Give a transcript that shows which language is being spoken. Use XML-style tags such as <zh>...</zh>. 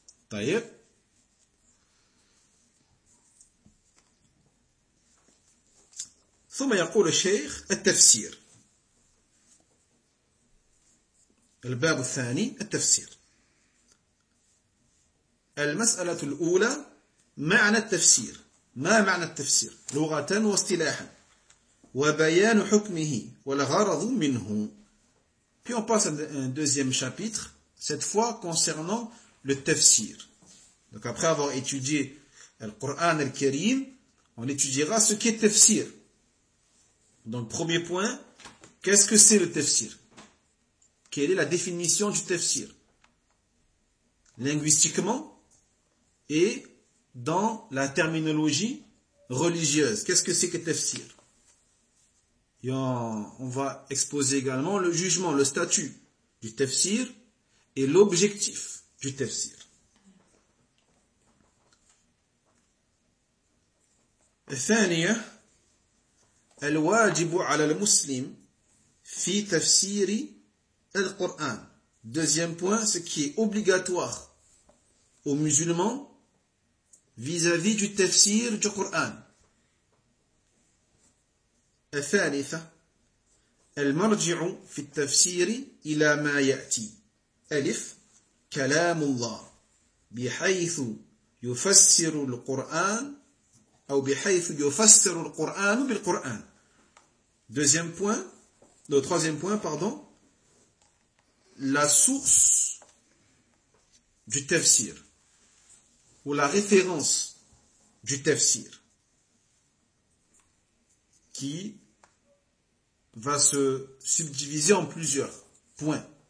<fr>D'ailleurs,</fr> <ar>ثم يقول الشيخ التفسير الباب الثاني التفسير. المسألة الأولى معنى التفسير. ما معنى التفسير لغة واصطلاحا وبيان حكمه والغرض منه.</ar> <fr>Puis on passe à un deuxième chapitre, cette fois concernant le tafsir. Donc après avoir étudié le Coran al-Karim, on étudiera ce qu'est tafsir. Donc premier point, qu'est-ce que c'est le tafsir? Quelle est la définition du tafsir linguistiquement et dans la terminologie religieuse? Qu'est-ce que c'est que tafsir? Et on va exposer également le jugement, le statut du tafsir et l'objectif du tafsir.</fr> <ar>Thaniya, al-wajibu ala al-muslim fi tafsiri al-Qur'an.</ar> <fr>Deuxième point, ce qui est obligatoire aux musulmans vis-à-vis du tafsir du Coran.</fr> <ar>الثالثة المرجع في التفسير إلى ما يأتي ألف كلام الله بحيث يفسر القرآن أو بحيث يفسر القرآن بالقرآن.</ar> <fr>Deuxième point, le troisième point, pardon, la source du tafsir ou la référence du tafsir qui va se subdiviser en plusieurs points.</fr>